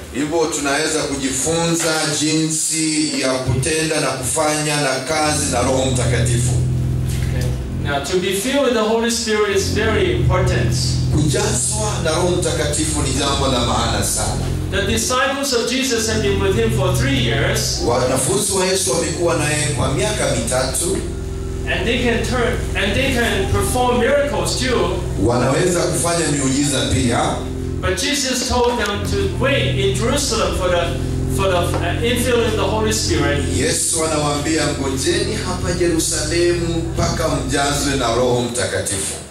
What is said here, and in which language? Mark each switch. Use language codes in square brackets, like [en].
[sw] Hivyo tunaweza kujifunza jinsi ya kutenda na kufanya na kazi na Roho Mtakatifu. [en] Now, to be filled with the Holy Spirit is very important. [sw] Kujazwa na Roho Mtakatifu ni jambo la maana sana. [en] The disciples of Jesus had been with him for 3 years. [sw] Wanafunzi wa Yesu wamekuwa naye kwa miaka mitatu. [en] And they can perform miracles too. [sw] Wanaweza kufanya miujiza pia. [en] But Jesus told them to wait in Jerusalem for the infilling of the Holy Spirit. [sw] Yesu anawaambia ngojeni hapa Yerusalemu mpaka mjazwe na Roho Mtakatifu.